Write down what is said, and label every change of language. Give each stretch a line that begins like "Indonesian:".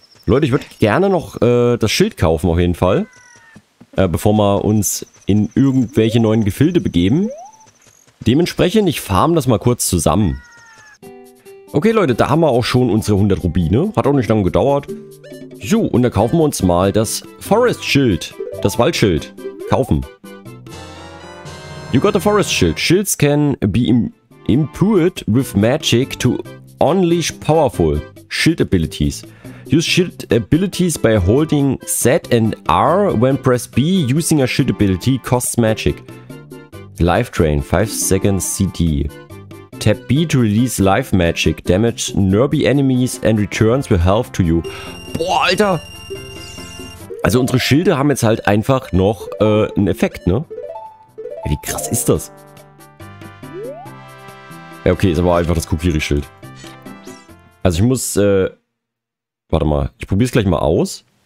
German: Leute, ich würde gerne noch das Schild kaufen, auf jeden Fall. Bevor wir uns in irgendwelche neuen Gefilde begeben. Dementsprechend, ich farm das mal kurz zusammen. Okay, Leute, da haben wir auch schon unsere 100 Rubine. Hat auch nicht lange gedauert. So, und dann kaufen wir uns mal das Forest Shield. Das Waldschild. Kaufen.
English: You got the Forest Shield. Shields can be imbued with magic to unleash powerful shield abilities. Use shield abilities by holding Z and R. When pressed B, using a shield ability costs magic. Life Drain, 5 seconds CD. Tap B to release life magic. Damage nearby enemies and returns with health to you.
German: Boah, Alter! Also unsere Schilde haben jetzt halt einfach noch einen Effekt, ne? Wie krass ist das? Ja, okay, ist aber einfach das Kukiri-Schild. Also ich muss, warte mal, ich probiere es gleich mal aus.